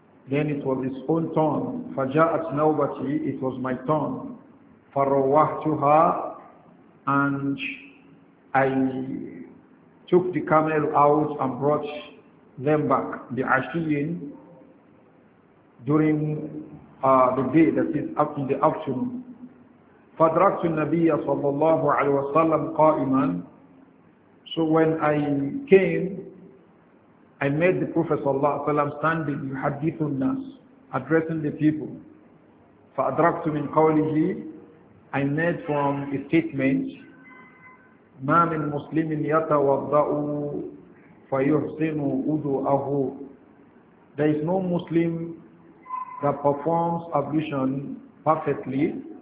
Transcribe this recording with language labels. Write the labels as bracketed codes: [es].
[en] then it was his own turn [ar] فجاءت نوبتي [en] it was my turn [ar] فروحتها [en] and I took the camel out and brought them back, the Ashiyin, during the day, that is, up in the afternoon. [ar] فَدْرَكْتُ النَّبِيَّ صَلَّى اللَّهُ عَلَيْهِ وَسَلَّمْ قَائِمًا [en] So when I came, I met the Prophet صلى الله عليه وسلم standing, [ar] يُحَدِّثُ النَّاسِ, [en] addressing the people. [ar] فَأَدْرَكْتُ مِنْ قَوْلِهِ [en] I made from a statement, [ar] ما من مسلم يتوضا فيحسن وضوءه [en] There is no Muslim that performs ablution perfectly